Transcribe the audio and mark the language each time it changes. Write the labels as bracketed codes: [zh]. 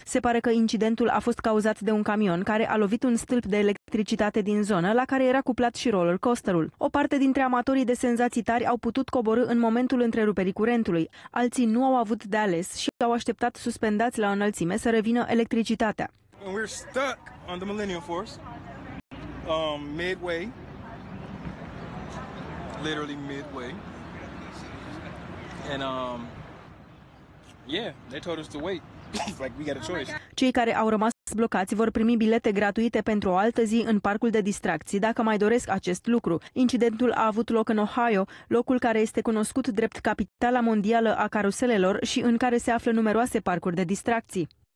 [ro] Se pare că incidentul a fost cauzat de un camion care a lovit un stâlp de electricitate din zonă la care era cuplat și roller coasterul. O parte dintre amatorii de senzații tari au putut coborî în momentul întreruperii curentului. Alții nu au avut de ales și au așteptat suspendați la înălțime să revină electricitatea. [en] And we're stuck on the Millennium Force, midway, literally midway, and they told us to wait, like we got a choice. [ro] Cei care au rămas blocați vor primi bilete gratuite pentru o altă zi în parcul de distracții, dacă mai doresc acest lucru. Incidentul a avut loc în Ohio, locul care este cunoscut drept capitala mondială a caruselelor și în care se află numeroase parcuri de distracții.